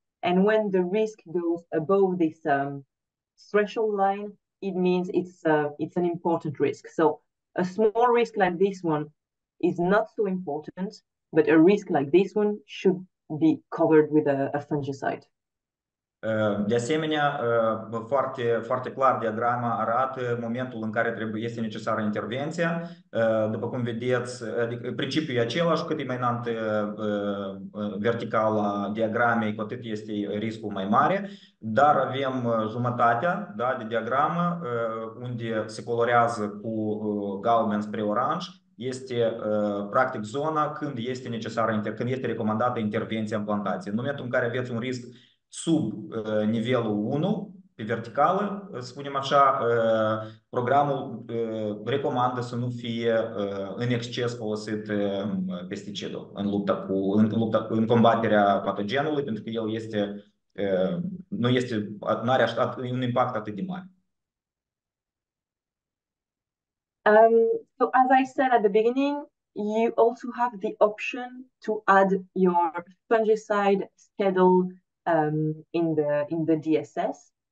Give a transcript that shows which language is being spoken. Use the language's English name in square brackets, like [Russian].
[English] And when the risk goes above this threshold line, it means it's an important risk. So a small risk like this one is not so important, but a risk like this one should be covered with a fungicide. [Romanian] De asemenea, foarte, foarte clar diagrama arată momentul în care este necesară intervenția. După cum vedeți, adică principiul e același, cât e mai înaltă verticala diagramei, cu atât este riscul mai mare. Dar avem jumătatea, da, de diagramă, unde se colorează cu galben spre oranj. Este practic zona când este necesară, când este recomandată intervenția în plantație. În momentul în care aveți un risc sub nivelul 1, pe verticală, spunem așa, programul recomandă să nu fie în exces folosit pesticidul în combaterea patogenului, pentru că el este nu este nu are așa, un impact atât de mare. [English] So as I said at the beginning, you also have the option to add your fungicide schedule in the DSS.